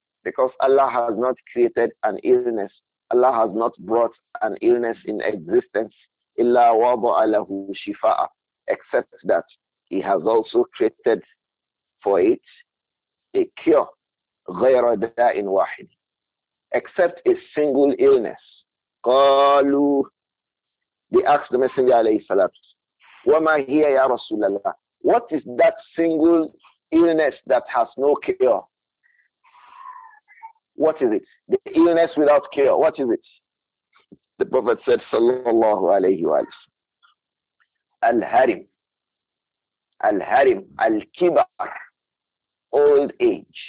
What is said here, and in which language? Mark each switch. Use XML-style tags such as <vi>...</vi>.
<en>Because Allah has not created an illness. Allah has not brought an illness in existence.</en> <ar>إِلَّا وَضَعَ لَهُ شِفَاءً.</ar> <en>Except that He has also created for it a cure.</en> <ar>غَيْرَ دَاءٍ وَاحِدٍ.</ar> <en>Except a single illness.</en> <ar>قَالُوا.</ar> <en>They asked the Messenger</en> <ar>عليه الصلاة والسلام, وَمَا هِيَ يَا رَسُولَ اللَّهِ.</ar> <en>What is that single illness that has no cure? What is it? The illness without cure. What is it? The Prophet said, sallallahu alayhi wa sallam,</en> <ar>al-harim, al-harim, al-kibar,</ar> <en>old age.</en>